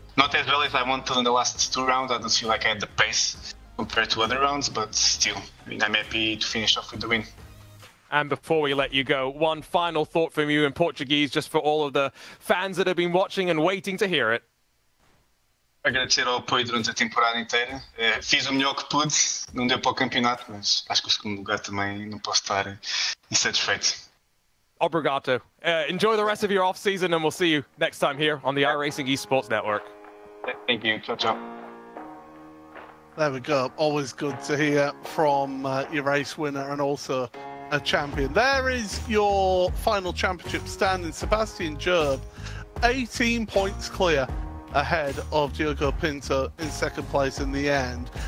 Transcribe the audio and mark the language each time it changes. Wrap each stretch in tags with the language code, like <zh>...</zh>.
<en>Not as well as I wanted in the last two rounds. I don't feel like I had the pace compared to other rounds, but still, I mean, I'm happy to finish off with the win. And before we let you go, one final thought from you in Portuguese, just for all of the fans that have been watching and waiting to hear it.</en> <pt>Agradecer ao apoio durante a temporada inteira. Fiz o melhor que pude, não deu para o campeonato, mas acho que o segundo lugar também não posso estar insatisfeito. Obrigado.</pt> <en>Enjoy the rest of your off-season and we'll see you next time here on the iRacing eSports Network. Thank you. Ciao, ciao. There we go. Always good to hear from your race winner and also a champion. There is your final championship standing. Sebastian Gerb, 18 points clear ahead of Diogo Pinto in second place in the end.</en>